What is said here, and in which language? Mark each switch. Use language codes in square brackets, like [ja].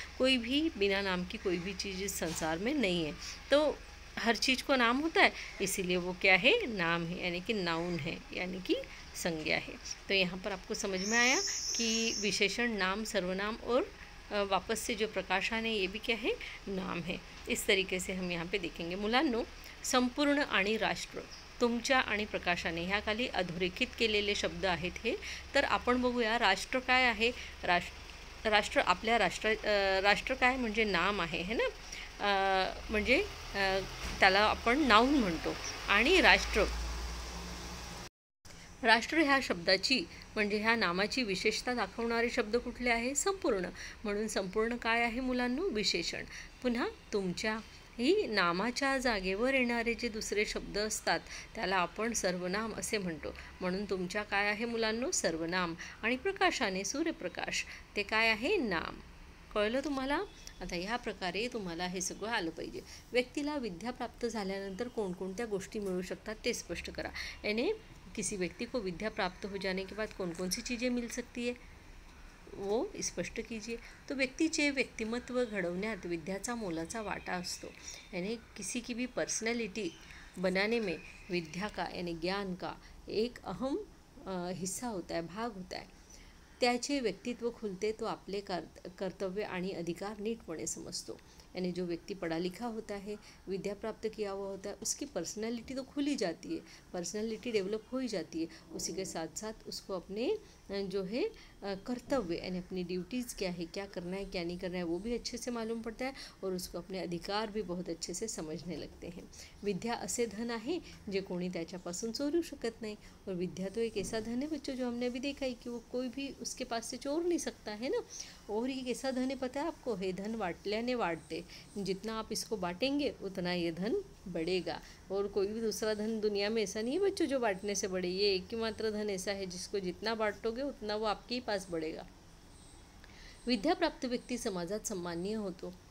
[hi] कोई भी बिना नाम की कोई भी चीज़ इस संसार में नहीं है, तो हर चीज़ को नाम होता है, इसीलिए वो क्या है, नाम है यानी कि नाउन है यानी कि संज्ञा है। तो यहाँ पर आपको समझ में आया कि विशेषण नाम, सर्वनाम और वापस से जो प्रकाशाने ये भी क्या है, नाम है। इस तरीके से हम यहाँ पे देखेंगे [mr] मुलांनो, संपूर्ण आणि राष्ट्र, तुमच्या आणि प्रकाशाने ह्या खाली अधोरेखित केलेले शब्द आहेत हे। तर आपण बघूया राष्ट्र काय आहे, राष्ट्र आपल्या राष्ट्र काय म्हणजे नाम आहे, है ना, म्हणजे त्याला आपण नाउन म्हणतो। आणि राष्ट्र, राष्ट्र ह्या शब्दाची म्हणजे ह्या नामाची विशेषता दाखवणारे शब्द कुठले आहे, संपूर्ण। म्हणून संपूर्ण काय आहे मुलांनो, विशेषण। पुन्हा तुमच्या ही नामाच्या जागेवर येणारे जे दुसरे शब्द असतात त्याला आपण सर्वनाम असे म्हणतो। म्हणून तुमच्या काय आहे मुलांनो, सर्वनाम। आणि प्रकाशाने, सूर्यप्रकाश, ते काय आहे, नाम। कळलं तुम्हाला? आता ह्या प्रकारे तुम्हाला हे सगळं आलं पाहिजे। व्यक्तीला विद्या प्राप्त झाल्यानंतर कोणकोणत्या गोष्टी मिळू शकतात ते स्पष्ट करा। [hi] याने किसी व्यक्ति को विद्या प्राप्त हो जाने के बाद कौन कौन सी चीज़ें मिल सकती है वो स्पष्ट कीजिए। [mr] तो व्यक्तीचे व्यक्तिमत्व घडवण्यात विद्याचा मोलाचा वाटा असतो। [hi] याने किसी की भी पर्सनैलिटी बनाने में विद्या का यानी ज्ञान का एक अहम हिस्सा होता है, भाग होता है। [mr] त्याचे व्यक्तित्व खुलते तो आपले कर्तव्य आणि अधिकार नीटपणे समजतो। [hi] यानी जो व्यक्ति पढ़ा लिखा होता है, विद्या प्राप्त किया हुआ होता है, उसकी पर्सनैलिटी तो खुली जाती है, पर्सनैलिटी डेवलप हो ही जाती है। उसी के साथ साथ उसको अपने जो है कर्तव्य यानी अपनी ड्यूटीज़ क्या है, क्या करना है क्या नहीं करना है, वो भी अच्छे से मालूम पड़ता है, और उसको अपने अधिकार भी बहुत अच्छे से समझने लगते हैं। [mr] विद्या असे धन आहे जे कोणी त्याच्यापासून चोरू शकत नाही। [hi] और विद्या तो एक ऐसा धन है बच्चों जो हमने अभी देखा है कि वो कोई भी उसके पास से चोर नहीं सकता है ना। और ये ऐसा धन है पता है आपको, [mr] हे धन वाटल्याने वाढते, [hi] जितना आप इसको बाँटेंगे उतना ये धन बढ़ेगा। और कोई भी दूसरा धन दुनिया में ऐसा नहीं है बच्चों जो बांटने से बढ़े, ये एकमात्र धन ऐसा है जिसको जितना बांटोगे उतना वो आपके ही पास बढ़ेगा। [mr] विद्या प्राप्त व्यक्ति समाजात सम्माननीय होतो,